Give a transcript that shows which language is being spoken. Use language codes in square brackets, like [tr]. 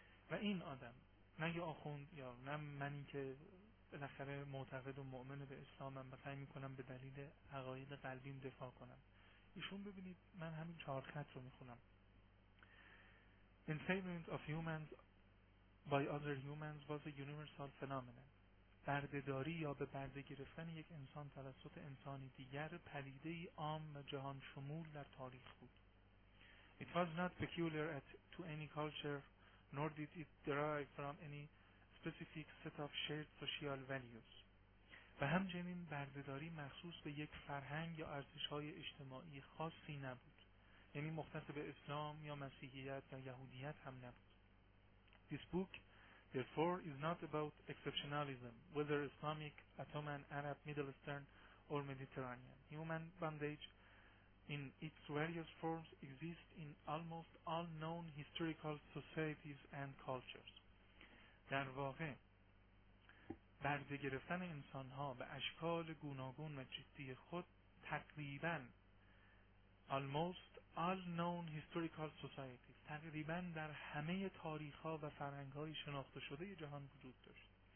[fa] و این آدم، نه یه آخوند یا نه منی که بالاخره معتقد و مؤمن به اسلامم و سعی می‌کنم به دلیل عقاید قلبیم دفاع کنم، ایشون ببینید، من همین چهار خط رو میخونم: [en] Enslavement of humans by other humans was a universal phenomenon. [fa] بردهداری یا به برده گرفتن یک انسان توسط انسانی دیگر پدیده ای عام و جهان شمول در تاریخ بود. [en] It was not peculiar to any culture nor did it derive from any specific set of shared social values. [fa] و همچنین بردهداری مخصوص به یک فرهنگ یا ارزش‌های اجتماعی خاصی نبود، یعنی مختص به اسلام یا مسیحیت یا یهودیت هم نبود. [en] This book therefore is not about exceptionalism, whether Islamic, Ottoman, Arab, Middle Eastern or Mediterranean. Human bondage in its various forms exist in almost all known historical societies and cultures. [fa] در واقع برده گرفتن انسان ها به اشکال گوناگون و جدی خود تقریبا [en] almost all known historical societies، [fa] تقریبا در همه تاریخ ها و فرهنگ های شناخته شده جهان وجود داشت.